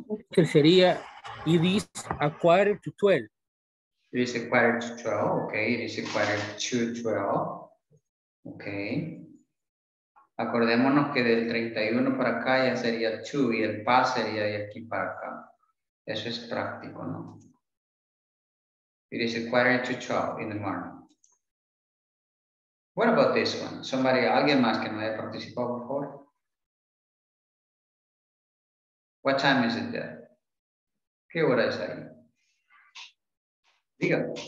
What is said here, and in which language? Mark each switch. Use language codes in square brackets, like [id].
[es] Que sería, [en] it is a quarter to 12. It is a quarter to 12, okay. It is a quarter to 12, okay. [es] Acordémonos que del 31 para acá ya sería 2 y el pas sería de aquí para acá. Eso es práctico, ¿no? [en] It is a quarter to 12 in the morning. What about this one? [es] Somebody, alguien más que no haya participado before? [en] What time is it there? [es] ¿Qué hora es ahí? Diga.